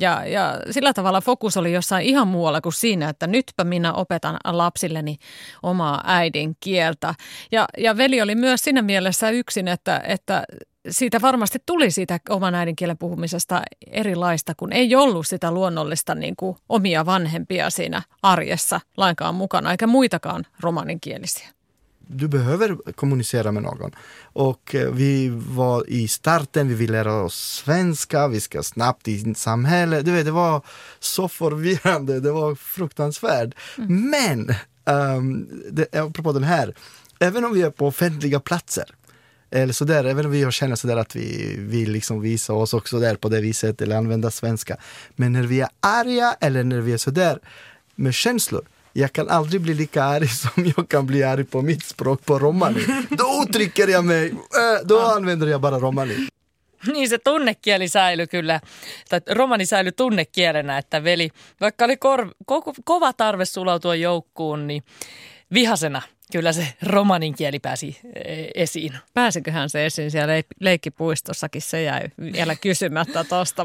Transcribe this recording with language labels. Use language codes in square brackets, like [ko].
[fi] Ja sillä tavalla fokus oli jossain ihan muualla kuin siinä, että nytpä minä opetan lapsilleni omaa äidinkieltä. Ja veli oli myös siinä mielessä yksin, että siitä varmasti tuli siitä oman äidinkielen puhumisesta erilaista, kun ei ollut sitä luonnollista niin kuin omia vanhempia siinä arjessa lainkaan mukana, eikä muitakaan romaninkielisiä. [sv] Du behöver kommunicera med någon. Och vi var i starten, vi ville lära oss svenska, vi ska snabbt i samhälle. Du vet, det var så förvirrande, det var fruktansvärt. Mm. Men, apropå den här, även om vi är på offentliga platser eller så där, även om vi känner så där att vi vill liksom visa oss också där på det viset eller använda svenska, men när vi är arga eller när vi är så där med känslor, jag kan aldrig bli lika arg som jag kan bli arg på mitt språk, på romani. Då uttrycker jag mig, då använder jag bara romani. [fi] Niin se tunnekieli säilyi kyllä, tai romani säilyi tunnekielenä, että veli, vaikka oli kova tarve sulautua joukkuun, niin vihasena. Kyllä se romanin kieli pääsi esiin. Pääsiköhän se esiin siellä leikkipuistossakin, se jäi vielä kysymättä tuosta.